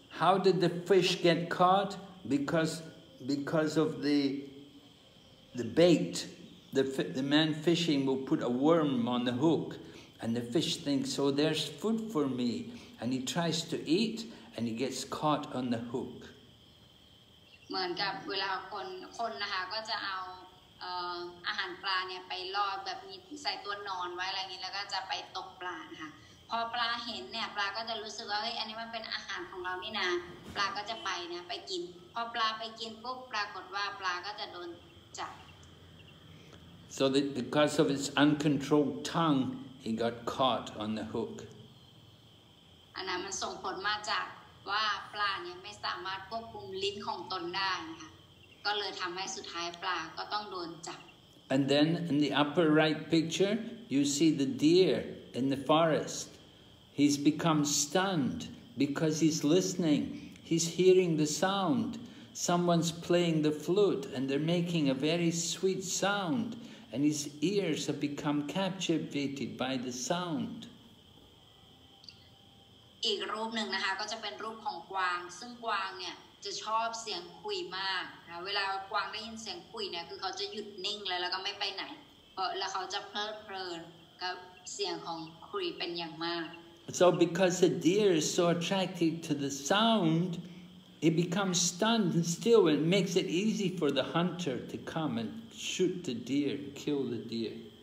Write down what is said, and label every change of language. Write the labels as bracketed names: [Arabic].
[English] How did the fish get caught because of the bait the man fishing will put a worm on the hook and the fish thinks so there's food for me and he tries to eat and he gets caught on the hook [Thai] เหมือนกับเวลาคนนะคะก็จะเอาอาหารปลาเนี่ยไปล่อแบบมีใส่ตัวนอนไว้อะไรอย่างงี้แล้วก็จะไปตกปลานะคะพอปลาเห็นเนี่ยปลาก็จะรู้สึกว่าเฮ้ยอันนี้มันเป็นอาหารของเรานี่นาปลาก็จะไปนะไปกินพอปลาไปกินปุ๊บปรากฏว่าปลาก็จะโดนจับ [English] So the because of its uncontrolled tongue he got caught on the hook [Thai] อันนั้นมันส่งผลมาจากว่าปลาเนี่ยไม่สามารถควบคุมลิ้นของตนได้นะคะก็เลยทำให้สุดท้ายปลาก็ต้องโดนจับ [English] And then in the upper right picture you see the deer in the forestHe's become stunned because he's listening. He's hearing the sound. Someone's playing the flute and they're making a very sweet sound. And his ears have become captivated by the sound. [Thai] อีกรูปหนึ่งนะคะก็จะเป็นรูปของกวางซึ่งกวางเนี่ยจะชอบเสียงคุยมากนะเวลากวางได้ยินเสียงคุยเนี่ยคือเขาจะหยุดนิ่งเลยแล้วก็ไม่ไปไหนแล้วเขาจะเพลิดเพลินกับเสียงของคุยเป็นอย่างมาก [English] So because the deer is so attracted to the sound, it becomes stunned and still and makes it easy for the hunter to come and shoot the deer, kill the deer.